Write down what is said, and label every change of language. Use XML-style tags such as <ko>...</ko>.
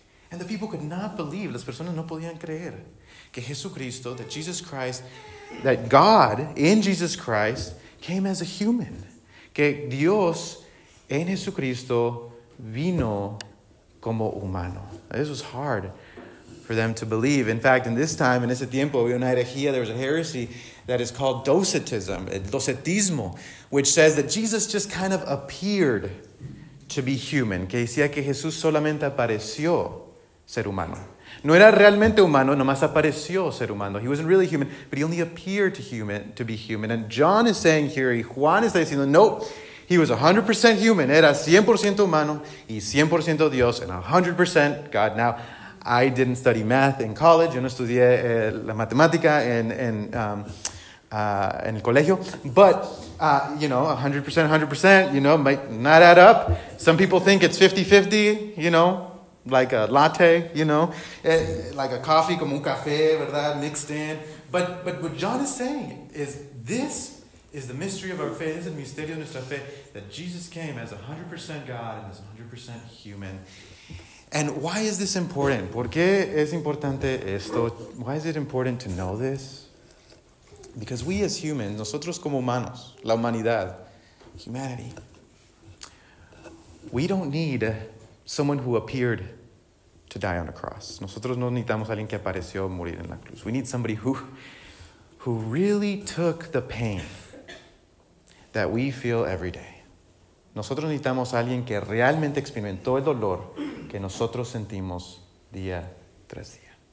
<en>And the people could not believe,</en> <es>las personas no podían creer, que Jesucristo,</es> <en>that Jesus Christ, that God in Jesus Christ came as a human,</en> <es>que Dios en Jesucristo vino como humano.</es> <en>This was hard for them to believe. In fact, in this time, in</en> <es>ese tiempo, había una herejía,</es> <en>there was a heresy that is called docetism, docetismo, which says that Jesus just kind of appeared to be human.</en> <es>Que decía que Jesús solamente apareció ser humano. No era realmente humano, nomás apareció ser humano.</es> <en>He wasn't really human, but he only appeared to be human. And John is saying here,</en> <es>y Juan está diciendo,</es> <en>nope, he was 100% human,</en> <es>era 100% humano y 100% Dios,</es> <en>and 100% God. Now, I didn't study math in college,</en> <es>yo no estudié la matemática en el colegio,</es> <en>but, you know, 100%, 100%, you know, might not add up. Some people think it's 50-50, you know, like a latte, you know, like a coffee,</en> <es>como un café, ¿verdad?,</es> <en>mixed in. But what John is saying is this is the mystery of our faith, is</en> <es>el misterio de nuestra fe,</es> <en>that Jesus came as 100% God and as 100% human. And why is this important?</en> <es>¿Por qué es importante esto?</es> <en>Why is it important to know this? Because we as humans,</en> <es>nosotros como humanos, la humanidad,</es> <en>humanity, we don't need someone who appeared to die on a cross.</en> <es>Nosotros no necesitamos a alguien que apareció morir en la cruz.</es> <en>We need somebody who really took the pain that we feel every day.</en> <es>Nosotros necesitamos a alguien que realmente experimentó el dolor que nosotros sentimos día tras día.</es>